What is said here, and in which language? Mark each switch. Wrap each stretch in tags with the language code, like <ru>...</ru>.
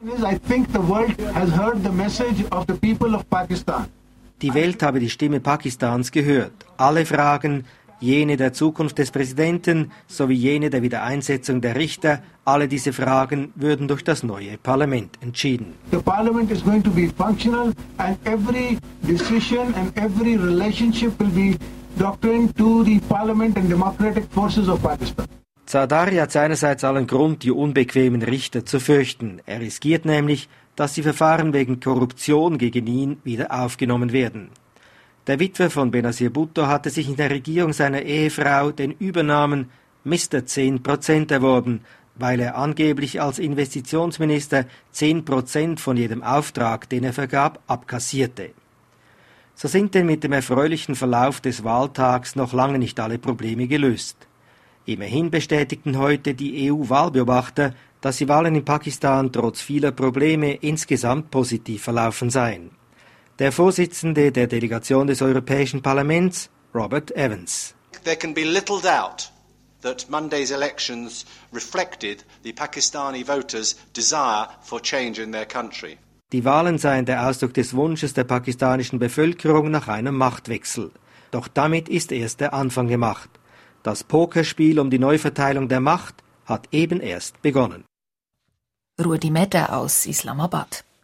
<de>Die Welt habe die Stimme Pakistans gehört. Alle Fragen, jene der Zukunft des Präsidenten sowie jene der Wiedereinsetzung der Richter, alle diese Fragen würden durch das neue Parlament entschieden.</de> <en>The Parliament is going to be functional and every decision and every relationship will be doctrined to the Parliament and democratic forces of Pakistan.</en> <de>Zardari hat seinerseits allen Grund, die unbequemen Richter zu fürchten. Er riskiert nämlich, dass die Verfahren wegen Korruption gegen ihn wieder aufgenommen werden. Der Witwer von Benazir Bhutto hatte sich in der Regierung seiner Ehefrau den Übernamen «Mr. 10%» erworben, weil er angeblich als Investitionsminister 10% von jedem Auftrag, den er vergab, abkassierte. So sind denn mit dem erfreulichen Verlauf des Wahltags noch lange nicht alle Probleme gelöst. Immerhin bestätigten heute die EU-Wahlbeobachter, dass die Wahlen in Pakistan trotz vieler Probleme insgesamt positiv verlaufen seien. Der Vorsitzende der Delegation des Europäischen Parlaments, Robert Evans.</de> <en>There can be little doubt that Monday's elections reflected the Pakistani voters' desire for change in their country.</en> <de>Die Wahlen seien der Ausdruck des Wunsches der pakistanischen Bevölkerung nach einem Machtwechsel. Doch damit ist erst der Anfang gemacht. Das Pokerspiel um die Neuverteilung der Macht hat eben erst begonnen. Rudi Medde aus Islamabad.</de>